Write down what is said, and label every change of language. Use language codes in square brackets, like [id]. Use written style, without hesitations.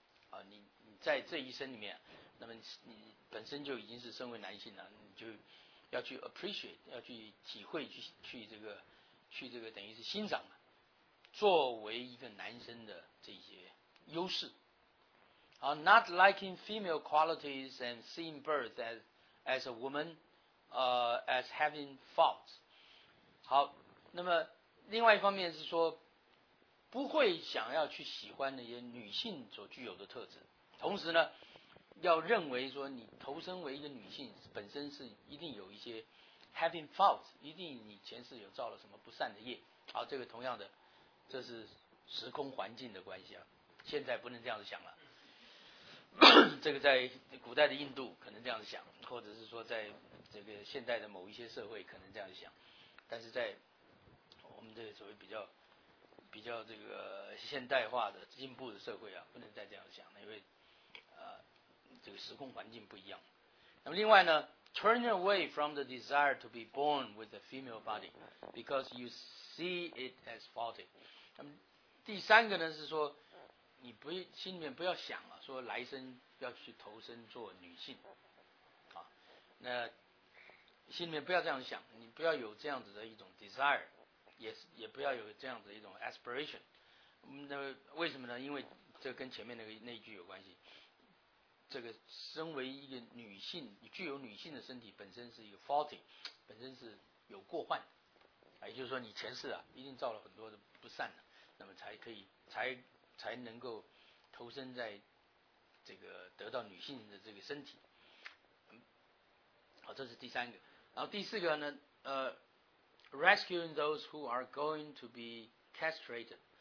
[zh] 啊，你在这一生里面，那么你本身就已经是身为男性了，你就要去 appreciate， 要去体会，去这个等于是欣赏作为一个男生的这些优势。 [en] Not liking female qualities and seeing birth as a woman, as having faults。 [zh] 好，那么另外一方面是说，不会想要去喜欢那些女性所具有的特质，同时呢要认为说你投身为一个女性本身是一定有一些 [en] having faults， [zh] 一定你前世有造了什么不善的业。好，这个同样的这是时空环境的关系啊，现在不能这样子想了这个在古代的印度可能这样子想，或者是说在这个现代的某一些社会可能这样子想，但是在我们这个所谓比较这个现代化的进步的社会啊，不能再这样想，因为这个时空环境不一样。那么另外呢， [en] turn away from the desire to be born with a female body because you see it as faulty. [zh] 第三个呢是说你不心里面不要想了说来生要去投身做女性。啊、那心里面不要这样想你不要有这样子的一种 desire, 也不要有这样子的一种 aspiration。那为什么呢因为这跟前面那个那句有关系。这个身为一个女性你具有女性的身体本身是一个 faulty, 本身是有过患。也就是说你前世啊一定造了很多的不善的。那么才可以才能够投身在这个得到女性的这个身体。好这是第三个。然后第四个呢 [en] rescuing those who are going to be castrated.